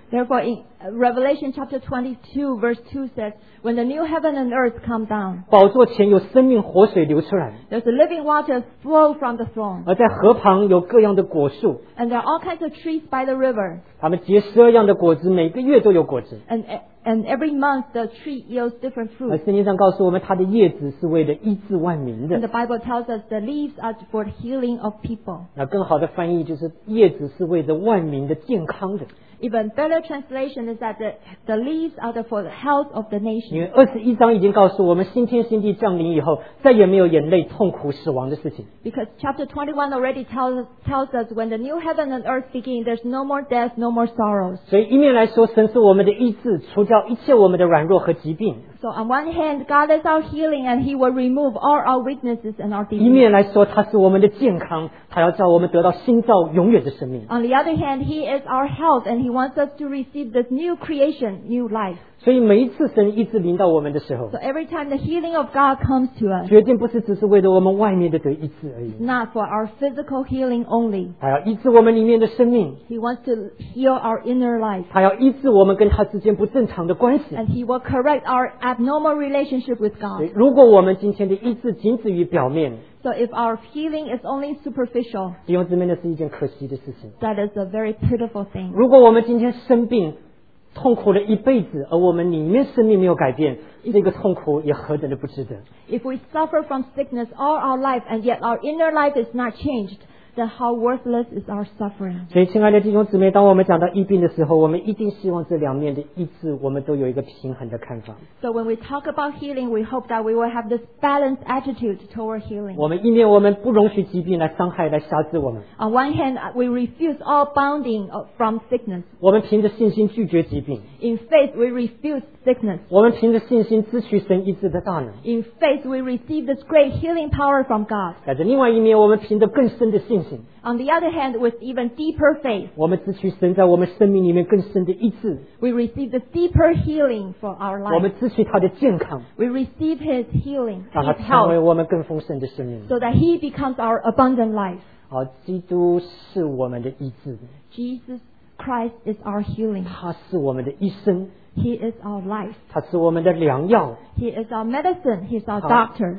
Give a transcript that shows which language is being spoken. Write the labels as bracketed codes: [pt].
[en] therefore in Revelation chapter 22 verse 2 says, when the new heaven and earth come down, [zh] 宝座前有生命活水流出来, [en] there's a living water flow from the throne, [zh] 而在河旁有各样的果树, [en] and there are all kinds of trees by the river, [zh] 他们结12样的果子, 每个月都有果子, [en] and every month the tree yields different fruit. [zh] 圣经上告诉我们, 它的叶子是为了医治万民的, [en] and the Bible tells us the leaves are for the healing of people. [zh] 那更好的翻译就是, 叶子是为了万民的健康的。 [en] Even better translation is that the leaves are for the health of the nation. [zh] 因为21章已经告诉我们新天新地降临以后, 再也没有眼泪, 痛苦, 死亡的事情。 [en] Because chapter 21 already tells us when the new heaven and earth begin, there's no more death, no more sorrows. [zh] 所以一面来说, 神是我们的医治, 除掉一切我们的软弱和疾病。 [en] So on one hand, God is our healing and he will remove all our weaknesses and our diseases. [zh] 一面来说, 他是我们的健康, 他要叫我们得到新造永远的生命。 [en] On the other hand, he is our health and he wants us to receive this new creation, new life. [zh] 所以每一次神医治临到我们的时候, [en] so every time the healing of God comes to us, [zh] 决定不是只是为了我们外面的得医治而已, [en] it's not for our physical healing only. [zh] 他要医治我们里面的生命, [en] he wants to heal our inner life. [zh] 他要医治我们跟他之间不正常的关系, [en] and he will correct our abnormal relationship with God. [zh] 如果我们今天的医治仅止于表面, [en] so if our healing is only superficial, [zh] 弟兄姊妹那是一件可惜的事情, [en] that is a very pitiful thing. [zh] 如果我们今天生病, 痛苦了一辈子, 而我们里面生命没有改变, 这个痛苦也何等的不值得。 [en] If we suffer from sickness all our life, and yet our inner life is not changed, then how worthless is our suffering. [zh] 所以亲爱的弟兄姊妹, 当我们讲到疫病的时候, 我们一定希望这两面的医治我们都有一个平衡的看法。 [en] So when we talk about healing, we hope that we will have this balanced attitude toward healing. [zh] 我们一面我们不容许疾病来伤害来辖制我们。 [en] On one hand, we refuse all bounding from sickness. [zh] 我们凭着信心拒绝疾病。 [en] In faith, we refuse sickness. [zh] 我们凭着信心支取神医治的大能。 [en] In faith, we receive this great healing power from God. [zh] 在另外一面我们凭着更深的信心。 [en] On the other hand, with even deeper faith, [zh] 我们支取神在我们生命里面更深的医治。 [en] We receive the deeper healing for our life. [zh] 我们支取他的健康。 [en] We receive his healing, his health, [zh] 让他成为我们更丰盛的生命。 [en] So that he becomes our abundant life. [zh] 好，基督是我们的医治。 [en] Jesus Christ is our healing. [zh] 他是我们的医生。 [en] He is our life. [zh] 他是我们的良药。 [en] He is our medicine. He is our doctor.